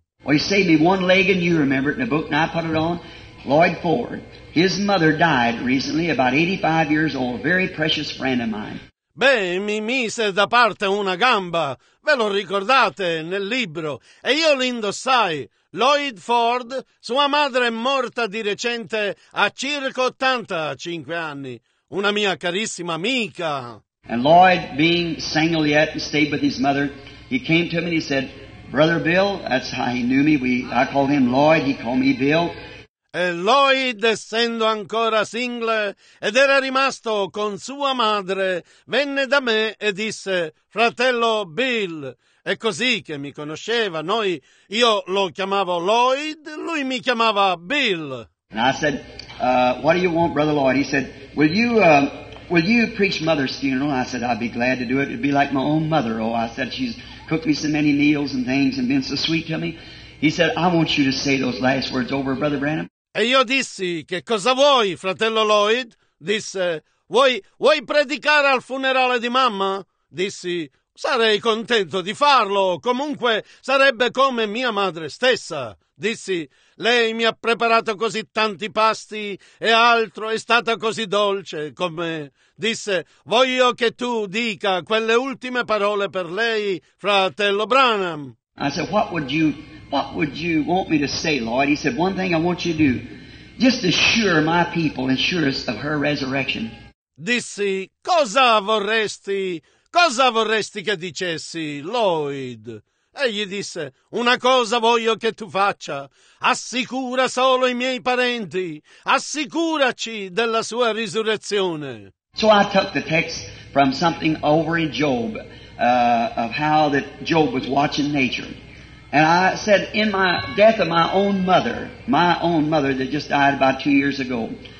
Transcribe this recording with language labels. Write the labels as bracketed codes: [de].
[en] Well, he saved me one leg, and you remember it in the book, and I put it on. Lloyd Ford, his mother died recently, about 85 years old, a very precious friend of mine. [it] Beh, mi mise da parte una gamba, ve lo ricordate nel libro, e io l'indossai. Lloyd Ford, sua madre è morta di recente a circa 85 anni, una mia carissima amica. [en] And Lloyd, being single yet, stayed with his mother. He came to me and he said, Brother Bill, that's how he knew me. I called him Lloyd, he called me Bill. [it] E Lloyd, essendo ancora single ed era rimasto con sua madre, venne da me e disse, Fratello Bill. È così che mi conosceva. Io lo chiamavo Lloyd, lui mi chiamava Bill. [en] And I said, what do you want, Brother Lloyd? He said, Will you preach Mother's funeral? I said, I'd be glad to do it. It'd be like my own mother. Oh, I said, she's cooked me so many meals and things and been so sweet to me. He said, I want you to say those last words over, Brother Branham. [it] E io dissi, che cosa vuoi, fratello Lloyd? Disse, vuoi predicare al funerale di mamma? Dissi, sarei contento di farlo. Comunque, sarebbe come mia madre stessa. dissi, lei mi ha preparato così tanti pasti e altro, è stata così dolce con me. Disse, voglio che tu dica quelle ultime parole per lei, fratello Branham. [en] I said, what would you want me to say, Lloyd? He said, one thing I want you to do, just assure my people, assure us of her resurrection. [it] Dissi, cosa vorresti che dicessi, Lloyd? Egli disse, una cosa voglio che tu faccia, assicura solo i miei parenti, assicuraci della sua risurrezione. [en] So I took the text from something over in Job, of how that Job was watching nature. And I said, in my death of my own mother that just died about 2 years ago.